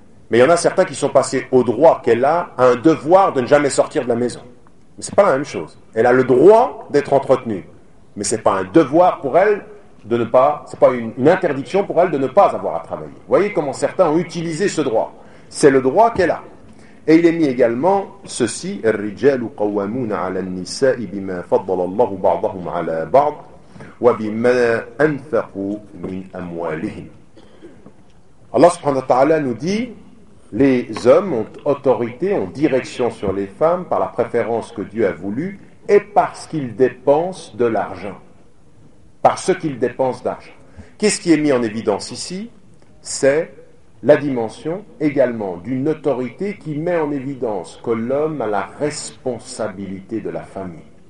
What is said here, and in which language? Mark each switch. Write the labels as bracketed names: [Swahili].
[French] Mais il y en a certains qui sont passés au droit qu'elle a, à un devoir de ne jamais sortir de la maison. Mais c'est pas la même chose. Elle a le droit d'être entretenue. Mais c'est pas un devoir pour elle de ne pas, c'est pas une interdiction pour elle de ne pas avoir à travailler. Vous voyez comment certains ont utilisé ce droit. C'est le droit qu'elle a. Et il est mis également ceci, [Arabic] الرجال قوامون على النساء بما فضل الله بعضهم على بعض وبما أنفقوا من أموالهم. [French] Allah subhanahu wa ta'ala nous dit, les hommes ont autorité, ont direction sur les femmes par la préférence que Dieu a voulu et parce qu'ils dépensent de l'argent. Parce qu'ils dépensent d'argent. Qu'est-ce qui est mis en évidence ici? C'est la dimension également d'une autorité qui met en évidence que l'homme a la responsabilité de la famille.